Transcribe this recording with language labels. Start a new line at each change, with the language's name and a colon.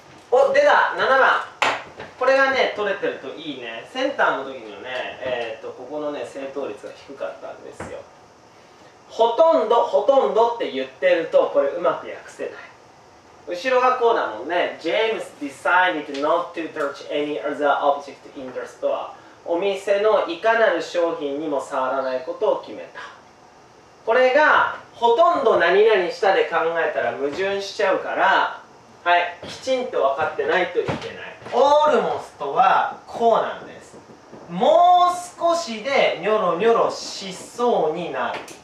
Japanese: お、出た7番。これがね、取れてるといいね。センターの時のね、ここのね、正答率が低かったんですよ。ほとんど、ほとんどって言ってるとこれうまく訳せない。後ろがこうだもんね。
English: James decided not to touch any other object in the store.
Japanese: お店のいかなる商品にも触らないことを決めた。これがほとんど何々したで考えたら矛盾しちゃうから、はい、きちんと分かってないといけない。 Almost はこうなんです。もう少しでニョロニョロしそうになる。